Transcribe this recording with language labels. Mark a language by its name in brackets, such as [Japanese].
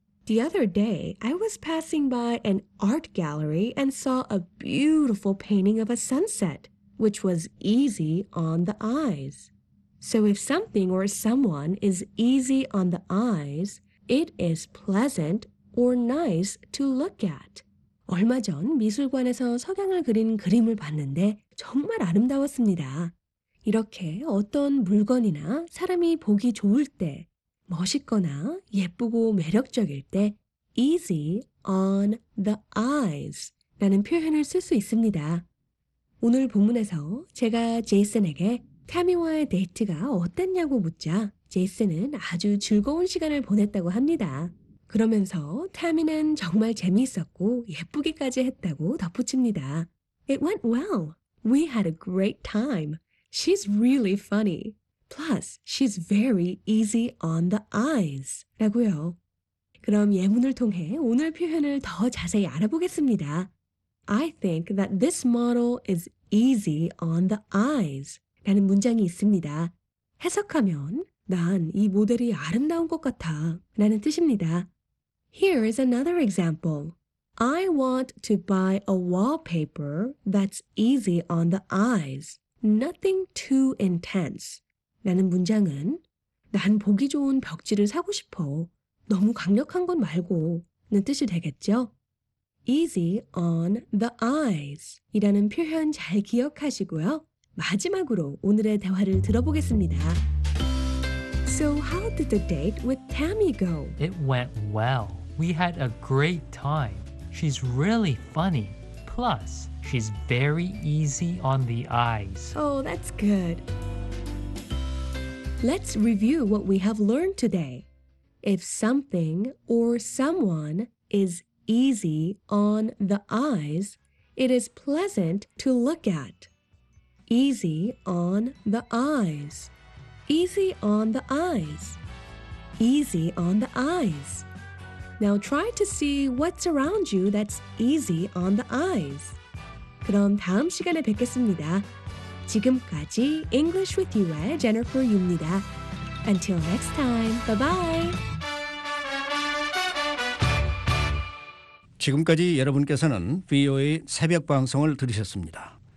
[English] The other day, I was passing by an art gallery and saw a beautiful painting of a sunset, which was easy on the eyes. So if something or someone is easy on the eyes, It is pleasant or nice to look at. [Korean] 얼마 전 미술관에서 석양을 그린 그림을 봤는데 정말 아름다웠습니다. 이렇게 어떤 물건이나 사람이 보기 좋을 때, 멋있거나 예쁘고 매력적일 때 easy on the eyes 라는 표현을 쓸 수 있습니다. 오늘 본문에서 제가 제이슨에게 타미와의 데이트가 어땠냐고 묻자 제이슨은 아주 즐거운 시간을 보냈다고 합니다. 그러면서 타미는 정말 재미있었고 예쁘기까지 했다고 덧붙입니다. [English] It went well. We had a great time. She's really funny. Plus, she's very easy on the eyes. [Korean] 라고요. 그럼 예문을 통해 오늘 표현을 더 자세히 알아보겠습니다. [English] I think that this model is easy on the eyes. [Korean] 라는 문장이 있습니다. 해석하면 난 이 모델이 아름다운 것 같아 라는 뜻입니다. [English] Here is another example. I want to buy a wallpaper that's easy on the eyes. Nothing too intense. [Korean] 라는 문장은 난 보기 좋은 벽지를 사고 싶어. 너무 강력한 건 말고는 뜻이 되겠죠? Easy on the eyes 이라는 표현 잘 기억하시고요. 마지막으로 오늘의 대화를 들어보겠습니다. [English] So how did the date with Tammy go? It went well. We had a great time. She's really funny. Plus, she's very easy on the eyes. Oh, that's good. Let's review what we have learned today. If something or someone is easy on the eyes, it is pleasant to look at. Easy on the eyes. Easy on the eyes. Easy on the eyes. Now try to see what's around you that's easy on the eyes. [Korean] 그럼 다음 시간에 뵙겠습니다. 지금까지 English with You의 Jennifer Yu입니다. [English] Until next time, bye-bye! [Korean] 지금까지 여러분께서는 VOA 새벽 방송을 들으셨습니다.